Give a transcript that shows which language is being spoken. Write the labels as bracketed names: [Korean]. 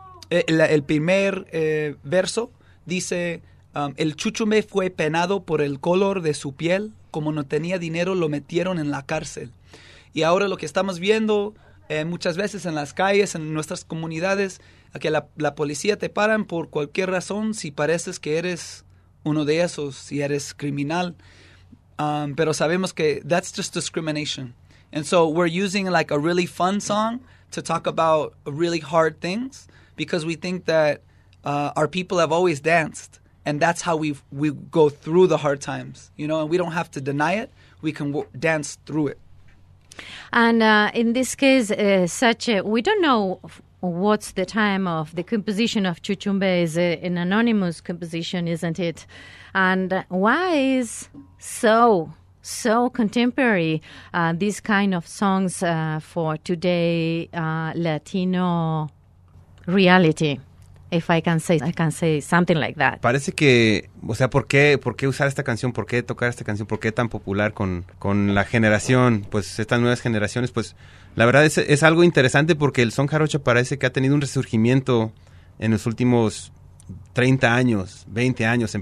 [Spanish] El primer verso dice, el chuchumbé fue penado por el color de su piel, como no tenía dinero, lo metieron en la cárcel. Y ahora lo que estamos viendo muchas veces en las calles, en nuestras comunidades, que la policía te paran por cualquier razón, si pareces que eres uno de esos, si eres criminal. Pero sabemos que [English] that's just discrimination. And so we're using like a really fun song to talk about really hard things because we think that our people have always danced and that's how we go through the hard times, you know, and we don't have to deny it. We can dance through it. And in this case, we don't know what's the time of the composition of Chuchumbe. Is an anonymous composition, isn't it? And why is so contemporary these kind of songs for today Latino reality, if I can say something like that. [Spanish] Parece que, o sea, ¿por qué usar esta canción? ¿Por qué tocar esta canción? ¿Por qué tan popular con la generación, pues estas nuevas generaciones? Pues la verdad es algo interesante porque el son jarocho parece que ha tenido un resurgimiento en los últimos 30 años, 20 años.